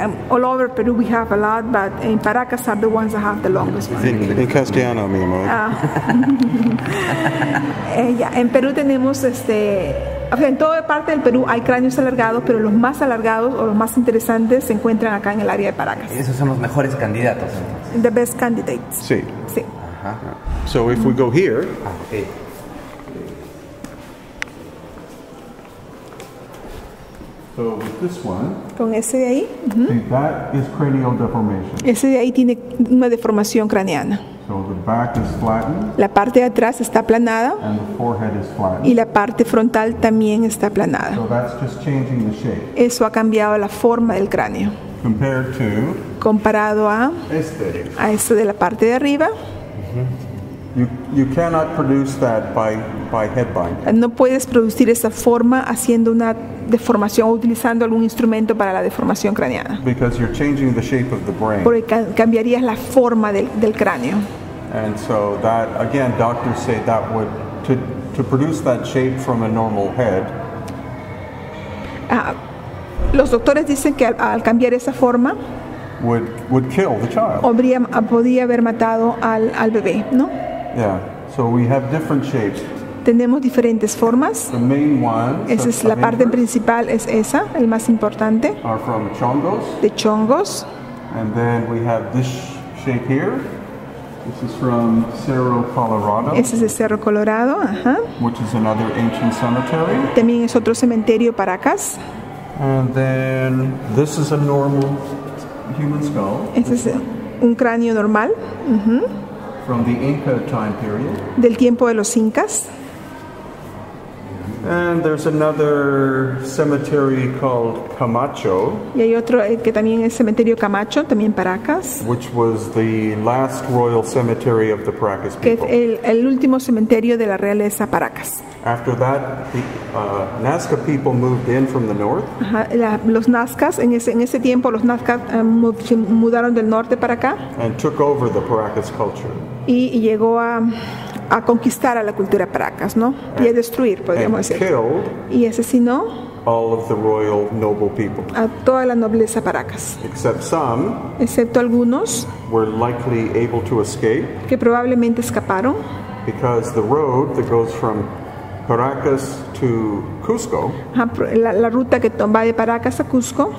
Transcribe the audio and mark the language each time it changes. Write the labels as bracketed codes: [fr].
[en] All over Peru we have a lot, but in Paracas are the ones that have the longest ones. [es] In Castellano, mi amor. En Peru tenemos en toda parte del Perú hay cráneos alargados, pero los más alargados o los más interesantes se encuentran acá en el área de Paracas. Y esos son los mejores candidatos, entonces. [en] The best candidates. [es] Sí. Sí. [en] Ajá. So if we go here. Okay. So with this one, [es] con ese de ahí, [en] that is cranial deformation. [es] Ese de ahí tiene una deformación craneana. [en] So the back is flattened, [es] la parte de atrás está aplanada, [en] and the forehead is flattened. [es] Y la parte frontal también está aplanada. [en] So that's just changing the shape. [es] Eso ha cambiado la forma del cráneo. [en] Compared to, [es] comparado a, a eso de la parte de arriba. [en] You cannot produce that by head binding. [es] No puedes producir esa forma haciendo una deformación o utilizando algún instrumento para la deformación craneana. [en] Because you're changing the shape of the brain. [es] Porque cambiarías la forma del cráneo. [en] And so that again, doctors say that would to produce that shape from a normal head. [es] Los doctores dicen que al cambiar esa forma [en] would kill the child. [es] Podría haber matado al bebé, ¿no? [en] Yeah, so we have different shapes. [es] Tenemos diferentes formas. [en] The main ones, [es] esa es la parte principal, es esa, el más importante. [en] Are from chongos. [es] De chongos. [en] And then we have this shape here. This is from Cerro Colorado. [es] Ese es de Cerro Colorado, ajá. [en] Which is another ancient cemetery. [es] También es otro cementerio Paracas. [en] And then this is a normal human skull. [es] Ese es un cráneo normal. [en] From the Inca time period. [es] Del tiempo de los Incas. [en] And there's another cemetery called Camacho. [es] Y hay otro que también es cementerio Camacho, también Paracas. [en] Which was the last royal cemetery of the Paracas people. [es] Que es el último cementerio de la realeza Paracas. [en] After that, the Nazca people moved in from the north. [es] Los Nazcas, en ese tiempo los Nazcas se mudaron del norte para acá. [en] And took over the Paracas culture. [es] Y llegó a conquistar a la cultura Paracas, ¿no? [en] And, [es] y a destruir, podríamos decir. Y asesinó [en] all of the royal noble people. [es] A toda la nobleza Paracas. [en] Except some, [es] excepto algunos, [en] were likely able to escape, [es] que probablemente escaparon. [en] Because the road that goes from Paracas to Cusco. [es] La ruta que va de Paracas a Cusco.